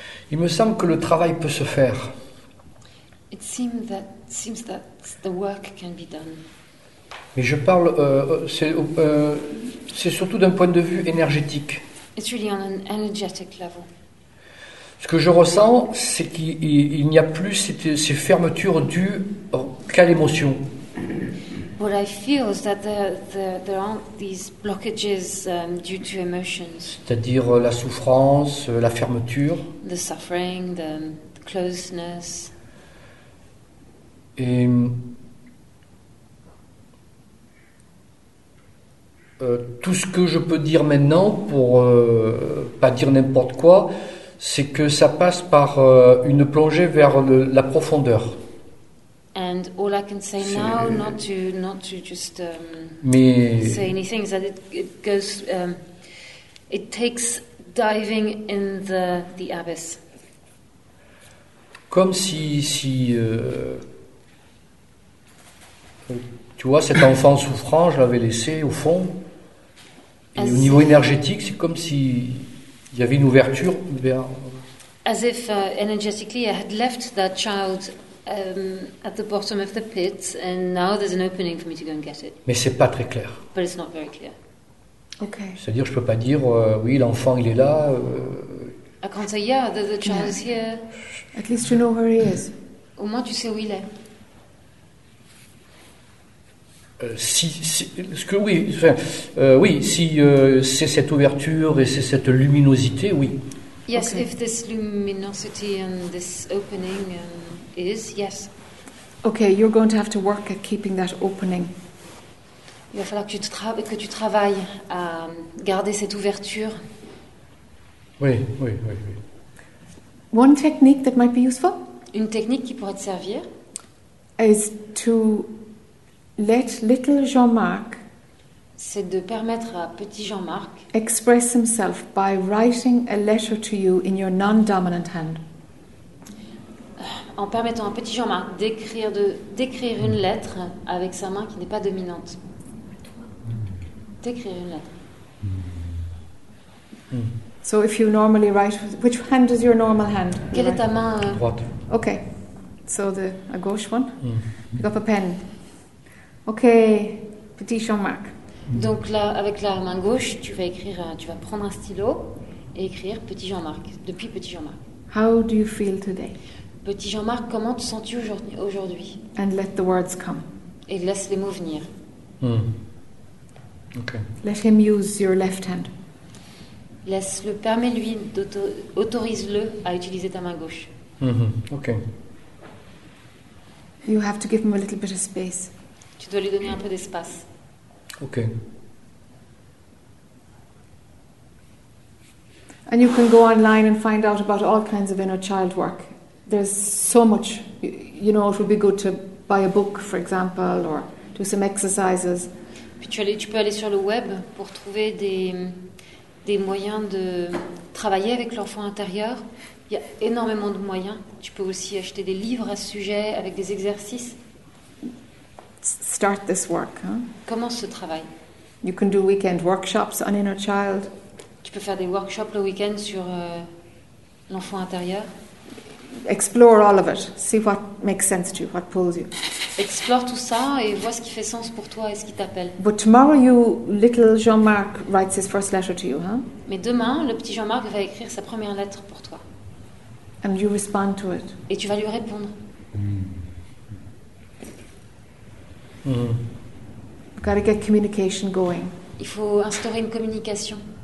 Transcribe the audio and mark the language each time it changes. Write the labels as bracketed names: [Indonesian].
[French] Il me semble que le travail peut se faire. [English] It seems that the work can be done. [French] Mais je parle, c'est surtout d'un point de vue énergétique. [English] It's really on an energetic level. [French] Ce que je ressens, c'est qu'il n'y a plus ces fermetures dues qu'à l'émotion. [English] What I feel is that there aren't these blockages due to emotions. [French] C'est-à-dire la souffrance, la fermeture. [English] The suffering, the closeness. [French] Et tout ce que je peux dire maintenant, pour pas dire n'importe quoi, c'est que ça passe par une plongée vers la profondeur. [English] And all I can say now, not to just mais say anything, is that it goes, it takes diving in the abyss. [French] Comme si tu vois, cet enfant souffrant, je l'avais laissé au fond. Et au niveau énergétique, c'est comme si il y avait une ouverture vers. [English] As if energetically, I had left that child. At the bottom of the pit, and now there's an opening for me to go and get it. [French] Mais c'est pas très clair. [English] But it's not very clear. Okay. [French] C'est-à-dire, je peux pas dire, oui, l'enfant, il est là. [English] I can't say, yeah, the child is here. At least you know where he is. [French] Au moins, tu sais où il est. C'est cette ouverture et c'est cette luminosité, oui. [English] Yes, okay. If this luminosity and this opening. Is yes. Okay, you're going to have to work at keeping that opening. [French] Il va falloir que tu travailles à garder cette ouverture. Oui. [English] One technique that might be useful. [French] Une technique qui pourrait te servir. [English] is to let little Jean-Marc, [French] c'est de permettre à petit Jean-Marc, [English] express himself by writing a letter to you in your non-dominant hand. [French] En permettant à petit Jean-Marc d'écrire une lettre avec sa main qui n'est pas dominante. D'écrire une lettre. [English] So if you normally write, which hand is your normal hand? [French] Quelle est ta main? Droite. [English] Okay. So the [French] a gauche [English] one. Pick up a pen. [French] Okay, petit Jean-Marc. Donc là, avec la main gauche, tu vas prendre un stylo et écrire petit Jean-Marc, depuis petit Jean-Marc. [English] How do you feel today? [French] Petit Jean-Marc, comment te sens-tu aujourd'hui? [English] And let the words come. [French] Et laisse les mots venir. [English] Okay. Let him use your left hand. [French] Laisse-le, permets-lui, autorise-le à utiliser ta main gauche. [English] Okay. You have to give him a little bit of space. [French] Tu dois lui donner un peu d'espace. [English] Okay. And you can go online and find out about all kinds of inner child work. There's so much, you know, it would be good to buy a book, for example, or do some exercises. [French] Puis tu peux aller sur le web pour trouver des moyens de travailler avec l'enfant intérieur. Il y a énormément de moyens. Tu peux aussi acheter des livres à ce sujet avec des exercices. [English] Start this work. Huh? [French] Commence ce travail. [English] You can do weekend workshops on inner child. [French] Tu peux faire des workshops le week-end sur l'enfant intérieur. [English] Explore all of it. See what makes sense to you, what pulls you. [French] Explore tout ça et vois ce qui fait sens pour toi et ce qui t'appelle. [English] But tomorrow you, little Jean-Marc writes his first letter to you, huh? [French] Mais demain, le petit Jean-Marc va écrire sa première lettre pour toi. [English] And you respond to it. [French] Et tu vas lui répondre. [English] Got to get communication going. [French] Il faut instaurer une communication.